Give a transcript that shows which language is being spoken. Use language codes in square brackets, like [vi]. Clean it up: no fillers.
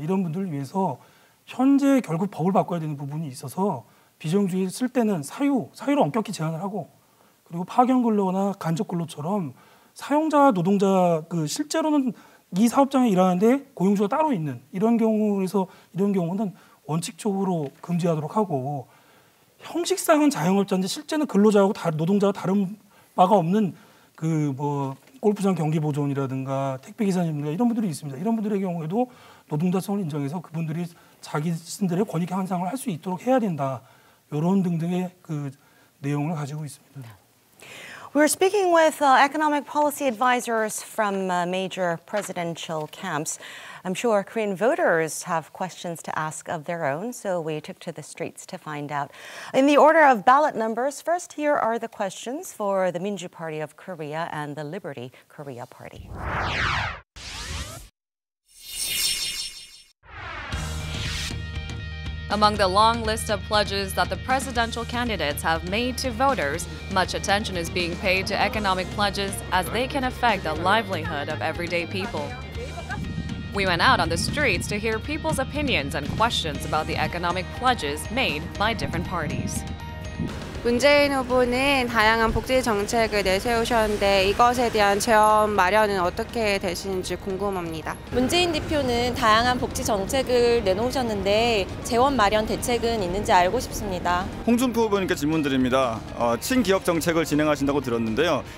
[ko] 이런 분들을 위해서 현재 결국 법을 바꿔야 되는 부분이 있어서 비정규직 쓸 때는 사유를 엄격히 제한을 하고 그리고 파견근로나 간접근로처럼 사용자 노동자 그 실제로는 이 사업장에 일하는데 고용주가 따로 있는 이런 경우에서 이런 경우는 원칙적으로 금지하도록 하고 형식상은 자영업자인데 실제는 근로자하고 노동자와 다른 바가 없는 그 뭐 골프장 경기 보존이라든가 택배 기사님들 이런 분들이 있습니다. 이런 분들의 경우에도 노동자성을 인정해서 그분들이 자신들의 권익 향상을 할 수 있도록 해야 된다. 이런 등등의 그 내용을 가지고 있습니다. [en] We're speaking with economic policy advisors from major presidential camps. I'm sure Korean voters have questions to ask of their own, so we took to the streets to find out. In the order of ballot numbers, first here are the questions for the Minju Party of Korea and the Liberty Korea Party. Among the long list of pledges that the presidential candidates have made to voters, much attention is being paid to economic pledges as they can affect the livelihood of everyday people. We went out on the streets to hear people's opinions and questions about the economic pledges made by different parties. [ko] 문재인 후보는 다양한 복지 정책을 내세우셨는데 이것에 대한 체험 마련은 어떻게 되시는지 궁금합니다. 문재인 대표는 다양한 복지 정책을 내놓으셨는데 재원 마련 대책은 있는지 알고 싶습니다. 홍준표 후보님께 질문드립니다. 친기업 정책을 진행하신다고 들었는데요.